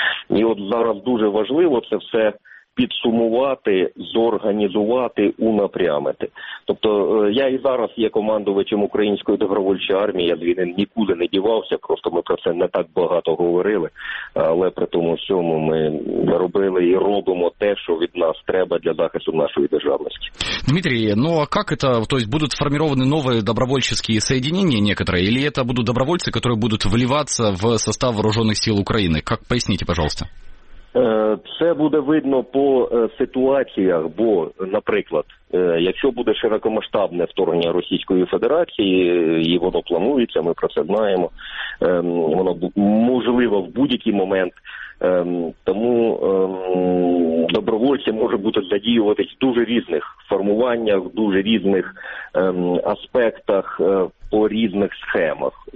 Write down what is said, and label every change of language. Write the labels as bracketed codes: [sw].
[uk] І от зараз дуже важливо це все підсумувати, зорганізувати, унапрямити. Тобто я і зараз є командувачем Української добровольчої армії, я звідси нікуди не дівався, просто ми про це не так багато говорили, але при тому всьому ми робили і робимо те, що від нас треба для захисту нашої державності. [ru] Дмитрий, ну а как это, то есть будут формированы новые добровольческие соединения некоторые, или это будут добровольцы, которые будут вливаться в состав вооруженных сил Украины? Как, поясните, пожалуйста. [uk] Це буде видно по ситуаціях, бо, наприклад, якщо буде широкомасштабне вторгнення Російської Федерації, і воно планується, ми про це знаємо, воно можливо в будь-який момент, тому добровольці можуть бути задіюватись в дуже різних формуваннях, в дуже різних аспектах, по різних схемах.